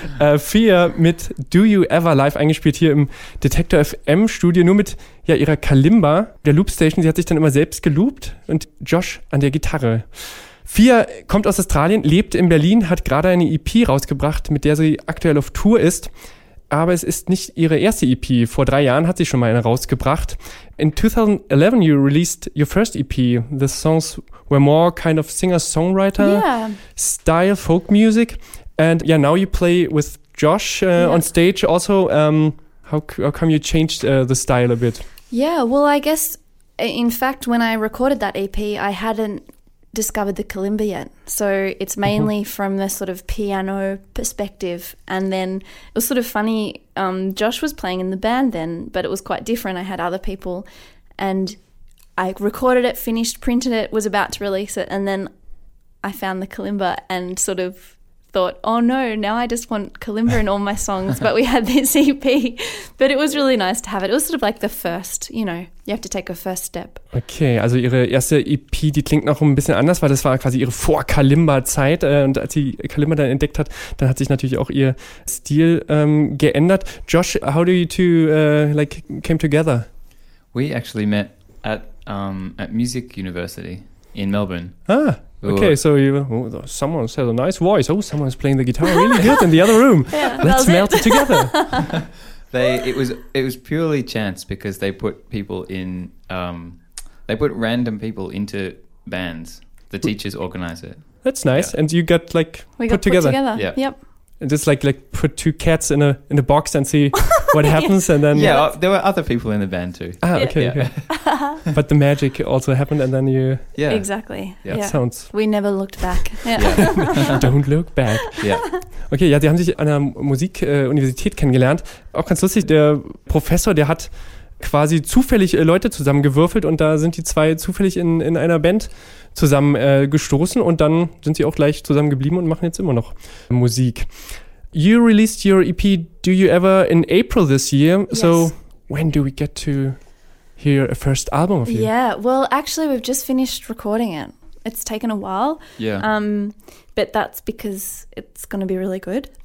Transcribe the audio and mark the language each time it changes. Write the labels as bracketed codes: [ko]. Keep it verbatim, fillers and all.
[de] Äh, Fia mit Do You Ever live eingespielt hier im Detektor F M Studio, nur mit ja, ihrer Kalimba, der Loopstation. Sie hat sich dann immer selbst geloopt und Josh an der Gitarre. Fia kommt aus Australien, lebt in Berlin, hat gerade eine E P rausgebracht, mit der sie aktuell auf Tour ist. Aber es ist nicht ihre erste E P. Vor drei Jahren hat sie schon mal eine rausgebracht. [en] In twenty eleven you released your first E P. The songs were more kind of singer-songwriter Yeah. style, folk music. And yeah, now you play with Josh uh, yeah. on stage also. Um, how, how come you changed uh, the style a bit? Yeah, well, I guess, in fact, when I recorded that E P, I hadn't discovered the kalimba yet, so it's mainly mm-hmm. from the sort of piano perspective. And then it was sort of funny, um Josh was playing in the band then, but it was quite different. I had other people, and I recorded it, finished, printed it, was about to release it, and then I found the kalimba and sort of thought, oh no, now I just want kalimba in all my songs. But we had this E P, but it was really nice to have it. It was sort of like the first, you know, you have to take a first step. [de] Okay, also ihre erste E P, die klingt noch ein bisschen anders, weil das war quasi ihre Vor-Kalimba-Zeit. Äh, und als sie Kalimba dann entdeckt hat, dann hat sich natürlich auch ihr Stil ähm, geändert. [en] Josh, how do you two uh, like came together? We actually met at um, at music university in Melbourne. Ah. Okay, so you, oh, someone has a nice voice. Oh, someone's playing the guitar really good in the other room. Yeah, let's melt it together. They it was it was purely chance, because they put people in um, they put random people into bands. The teachers organize it. That's nice. Yeah. And you got like we put got together. Put together. Yeah. Yep. And just like like put two cats in a in a box and see what happens, and then yeah, uh, there were other people in the band too. Ah, okay. Yeah. Okay. But the magic also happened, and then you yeah exactly yeah, yeah. Sounds. We never looked back. Yeah. Yeah. Don't look back. Yeah. [de] Okay, ja, die haben sich an der Musikuniversität äh, kennengelernt. Auch ganz lustig. Der Professor, der hat quasi zufällig äh, Leute zusammengewürfelt, und da sind die zwei zufällig in in einer Band zusammen äh, gestoßen, und dann sind sie auch gleich zusammen geblieben und machen jetzt immer noch Musik. [en] You released your E P Do You Ever in April this year. Yes. So when do we get to hear a first album of you? Yeah, well, actually we've just finished recording it. It's taken a while. Yeah. Um, but that's because it's going to be really good.